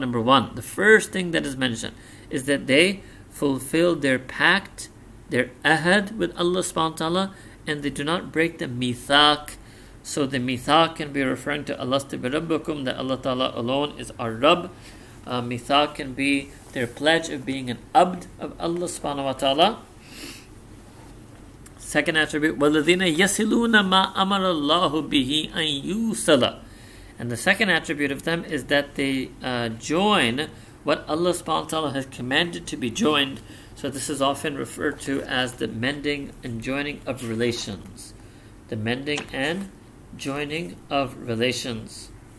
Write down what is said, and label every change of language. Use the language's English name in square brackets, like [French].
[English] Number one, the first thing that is mentioned is that they fulfill their pact, their ahad with Allah subhanahu wa ta'ala, and they do not break the mithaq. So the mithaq can be referring to Allah Tabaraka wa Ta'ala, that Allah Ta'ala alone is our Rabb. Mithaq can be their pledge of being an abd of Allah Subhanahu wa Ta'ala. [Arabic] Second attribute, وَالَّذِينَ يَسِلُونَ مَا أَمَرَ اللَّهُ بِهِ أَن يُوصَلَ. [English] And the second attribute of them is that they join what Allah Subhanahu wa Ta'ala has commanded to be joined. So this is often referred to as the mending and joining of relations. The mending and joining of relations.